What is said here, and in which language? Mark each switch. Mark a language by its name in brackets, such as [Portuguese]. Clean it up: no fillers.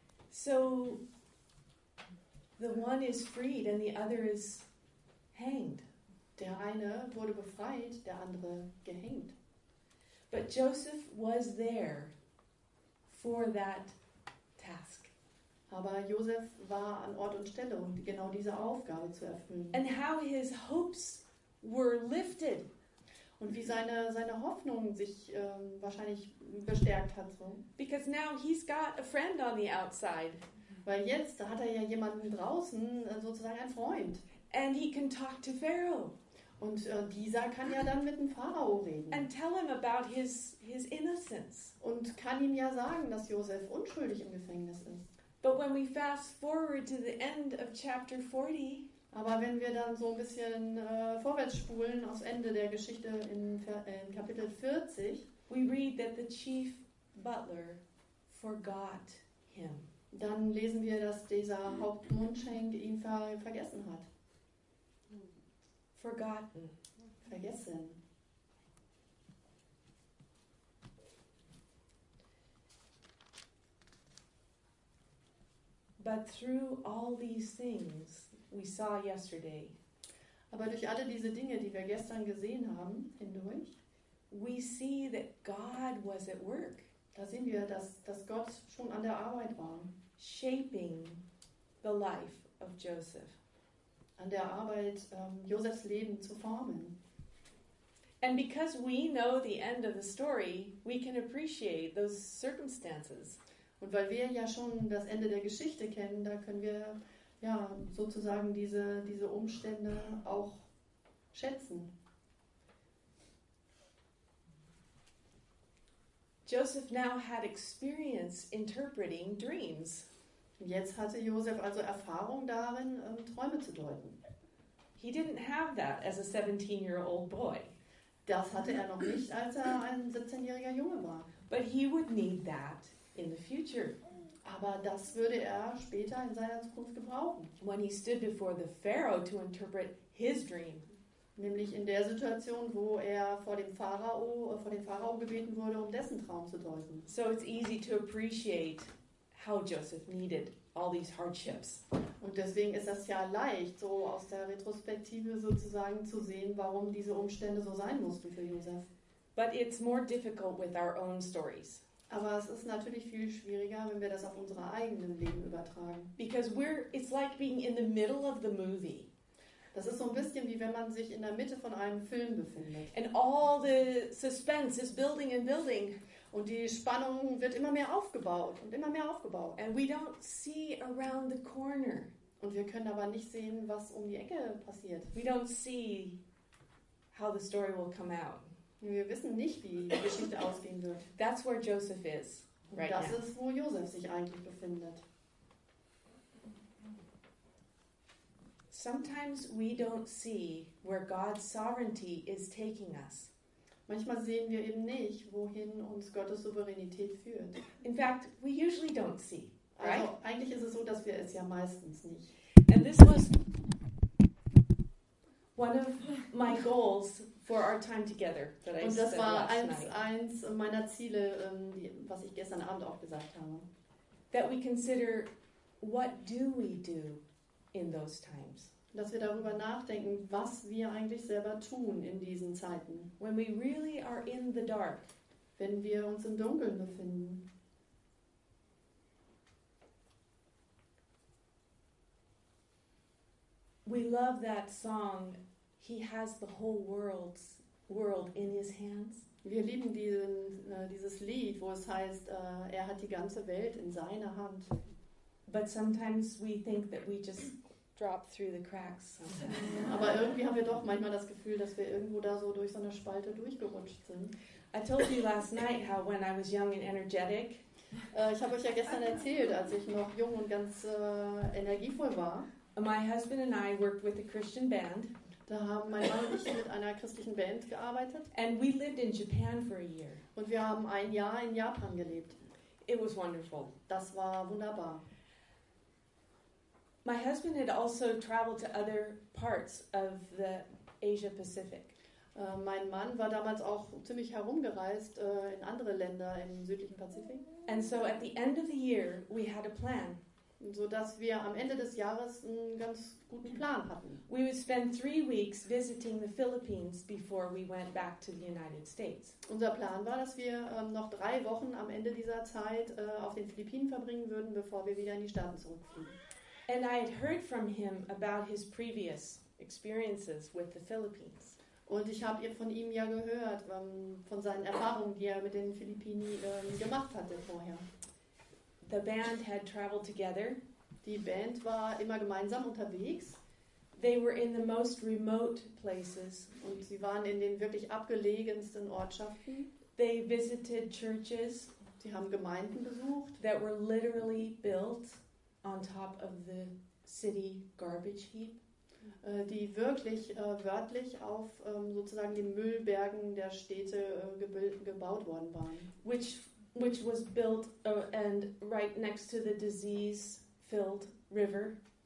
[English] So the one is freed and the other is hanged. [German] Der eine wurde befreit, der andere gehängt. [English] But Joseph was there for that task. [German] Aber Josef war an Ort und Stelle, um genau diese Aufgabe zu erfüllen. [English] And how his hopes were lifted. [German] Und wie seine Hoffnung sich wahrscheinlich bestärkt hat. [English] So. Because now he's got a friend on the outside. [German] Weil jetzt hat er ja jemanden draußen, sozusagen einen Freund. [English] And he can talk to Pharaoh. [German] Und dieser kann ja dann mit dem Pharao reden. [English] And tell him about his innocence. [German] Und kann ihm ja sagen, dass Josef unschuldig im Gefängnis ist. [English] But when we fast forward to the end of chapter 40, [German] aber wenn wir dann so ein bisschen vorwärts spulen aufs Ende der Geschichte in Kapitel 40, [English] we read that the chief butler forgot him. [German] Dann lesen wir, dass dieser Hauptmundschenk ihn vergessen hat. [English] Forgotten. [German] Vergessen. [English] But through all these things we saw yesterday. [German] Aber durch alle diese Dinge, die wir gestern gesehen haben, hindurch, [English] we see that God was at work. [German] Da sehen wir, dass Gott schon an der Arbeit war. [English] Shaping the life of Joseph. [German] An der Arbeit, Josefs Leben zu formen. [English] And because we know the end of the story, we can appreciate those circumstances. [German] Und weil wir ja schon das Ende der Geschichte kennen, da können wir ja sozusagen diese Umstände auch schätzen. [English] Joseph now had experience interpreting dreams. [German] Jetzt hatte Josef also Erfahrung darin, Träume zu deuten. [English] He didn't have that as a 17-year-old boy. [German] Das hatte er noch nicht, als er ein 17-jähriger Junge war. [English] But he would need that in the future. [German] Aber das würde er später in seiner Zukunft gebrauchen. [English] When he stood before the Pharaoh to interpret his dream. [German] Nämlich in der Situation, wo er vor dem Pharao gebeten wurde, um dessen Traum zu deuten. [English] So it's easy to appreciate how Joseph needed all these hardships. [German] Und deswegen ist das ja leicht, so aus der Retrospektive sozusagen zu sehen, warum diese Umstände so sein mussten für Joseph. [English] But it's more difficult with our own stories. [German] Aber es ist natürlich viel schwieriger, wenn wir das auf unsere eigenen Leben übertragen. [English] Because it's like being in the middle of the movie. [German] Das ist so ein bisschen wie wenn man sich in der Mitte von einem Film befindet. [English] And all the suspense is building and building. [German] Und die Spannung wird immer mehr aufgebaut und immer mehr aufgebaut. [English] And we don't see around the corner. [German] Und wir können aber nicht sehen, was um die Ecke passiert. [English] We don't see how the story will come out. [German] Wir wissen nicht, wie die Geschichte ausgehen wird. [English] That's where Joseph is. Right, [German] das [English] now. [German] Ist, wo Josef sich eigentlich befindet. [English] Sometimes we don't see where God's sovereignty is taking us. [German] Manchmal sehen wir eben nicht, wohin uns Gottes Souveränität führt. [English] In fact, we usually don't see. Right? [German] Also eigentlich ist es so, dass wir es ja meistens nicht. [English] And this was one of my goals for our time together that I said last night. [German] Und das war eins meiner Ziele, was ich gestern Abend auch gesagt habe. [English] That we consider, what do we do in those times? [German] Dass wir darüber nachdenken, was wir eigentlich selber tun in diesen Zeiten. [English] When we really are in the dark. [German] Wenn wir uns im Dunkeln befinden. [English] We love that song, He has the whole world in his hands. [German] Wir lieben dieses Lied, wo es heißt, er hat die ganze Welt in seiner Hand. [English] But sometimes we think that we just drop through the cracks. [German] Aber irgendwie haben wir doch manchmal das Gefühl, dass wir irgendwo da so durch so eine Spalte durchgerutscht sind. [English] I told you last night how when I was young and energetic. [German] Ich habe euch ja gestern erzählt, als ich noch jung und ganz energievoll war. [English] My husband and I worked with a Christian band. [German] Da haben mein Mann und ich mit einer christlichen Band gearbeitet. [English] And we lived in Japan for a year. [German] Und wir haben ein Jahr in Japan gelebt. [English] It was wonderful. [German] Das war wunderbar. [English] My husband had also traveled to other parts of the Asia Pacific. [German] Mein Mann war damals auch ziemlich herumgereist in andere Länder im südlichen Pazifik. [English] And so at the end of the year we had a plan. [German] sodass wir am Ende des Jahres einen ganz guten Plan hatten. [English] We would spend 3 weeks visiting the Philippines before we went back to the United States. [German] Unser Plan war, dass wir noch 3 Wochen am Ende dieser Zeit auf den Philippinen verbringen würden, bevor wir wieder in die Staaten zurückfliegen. [English] And I had heard from him about his previous experiences with the Philippines. [German] Und ich habe von ihm ja gehört, von seinen Erfahrungen, die er mit den Philippinen gemacht hatte vorher. [English] The band had traveled together. [German] Die Band war immer gemeinsam unterwegs. [English] They were in the most remote places. [German] Und sie waren in den wirklich abgelegensten Ortschaften. [English] They visited churches. [German] Sie haben Gemeinden besucht. [English] That were literally built on top of the city garbage heap. [German] Die wirklich wörtlich auf sozusagen den Müllbergen der Städte gebaut worden waren. [English] Which was built and right next to the disease-filled river.